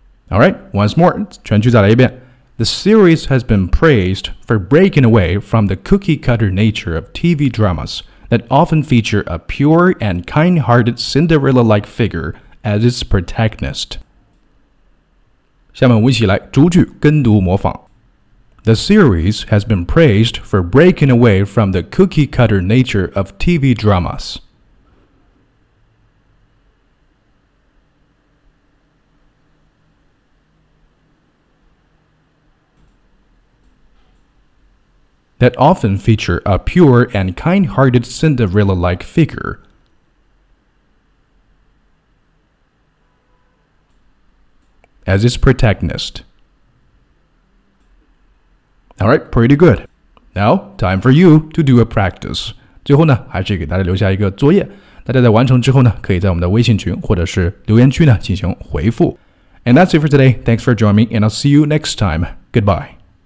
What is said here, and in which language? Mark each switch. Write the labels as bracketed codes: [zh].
[en] All right, once more, [zh] 全句再来一遍。 [en] The series has been praised for breaking away from the cookie-cutter nature of TV dramas that often feature a pure and kind-hearted Cinderella-like figure as its protagonist. [zh] 下面我们一起来逐句跟读模仿。 [en] The series has been praised for breaking away from the cookie-cutter nature of TV dramas. That often feature a pure and kind-hearted Cinderella-like figure. As its protagonist. Alright, pretty good. Now, time for you to do a practice. [zh] 最后呢，还是给大家留下一个作业。大家在完成之后呢，可以在我们的微信群或者是留言区呢进行回复。 [en] And that's it for today. Thanks for joining me, and I'll see you next time. Goodbye.